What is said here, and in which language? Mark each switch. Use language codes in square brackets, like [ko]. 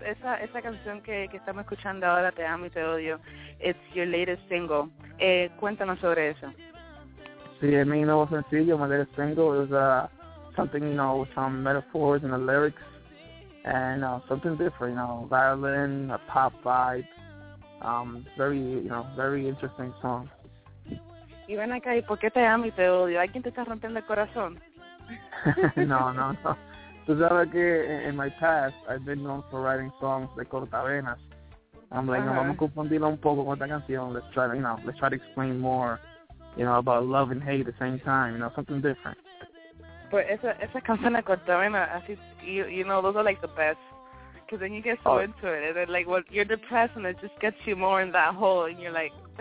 [es] Esa canción que estamos escuchando ahora, Te Amo y Te Odio, [en] it's your latest single. [es] Cuéntanos sobre eso. Sí, es mi nuevo sencillo, [en] my latest single. It was something, you know, with some metaphors and the lyrics, and something different, you know, violin, a pop vibe, very, you know, very interesting song. [es] Y ven acá, ¿y por qué te amo y te odio? ¿Alguien te está rompiendo el corazón? No. Tú sabes que [en] in my past, I've been known for writing songs [es] de cortavenas. [en] I'm like, [es] no, vamos a confundirlo un poco con esta canción. [en] Let's try to explain more. You know, about love and hate at the same time, you know, something different. But [es] esa canción de cortavena, así, [en] you know, those are like the best. Because then you get so into it, and then, like, well, you're depressed, and it just gets you more in that hole, and you're like...